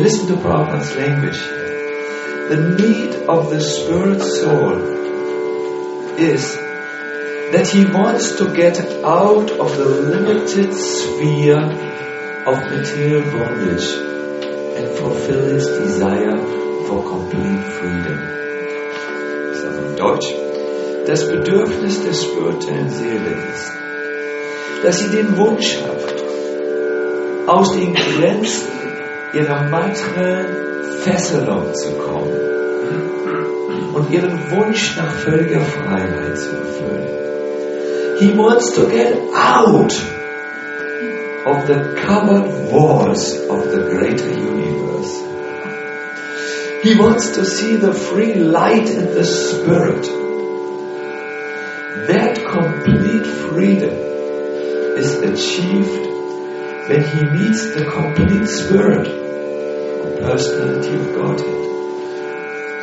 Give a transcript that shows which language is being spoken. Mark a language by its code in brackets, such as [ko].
[en] Listen to Prabhupada's language. The need of the spirit soul is that he wants to get out of the limited sphere of material bondage and fulfill his desire for complete freedom. [de] So in Deutsch, das Bedürfnis der spirituellen Seele ist, dass sie den Wunsch hat, aus den Grenzen ihrer materiellen Fesselung zu kommen und ihren Wunsch nach völliger Freiheit zu erfüllen. [en] He wants to get out of the covered walls of the greater universe. He wants to see the free light in the spirit. That complete freedom is achieved when he meets the complete spirit, the personality of Godhead.